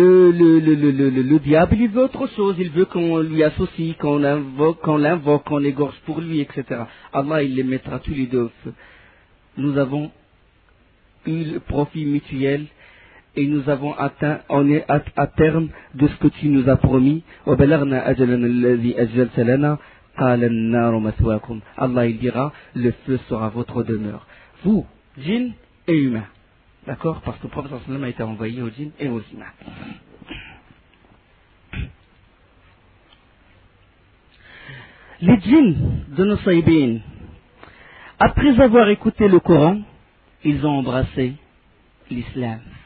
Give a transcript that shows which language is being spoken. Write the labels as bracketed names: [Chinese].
[French] Le diable, il veut autre chose, il veut qu'on lui associe, qu'on l'invoque, qu'on égorge pour lui, etc. Allah, il les mettra tous les deux au feu. Nous avons eu le profit mutuel et nous avons atteint, on est à terme de ce que tu nous as promis. [Arabic] وَبَلَغْنَا أَجَلَنَا الَّذِي أَجَلْتَ لَنَا قال النار مثواكم. [French] Allah il dira le feu sera votre demeure. Vous, djinns et humains. D'accord? Parce que le prophète sallallahu alayhi wa sallam a été envoyé aux djinns et aux humains. Les djinns de nos Saïbines, après avoir écouté le Coran, ils ont embrassé l'islam.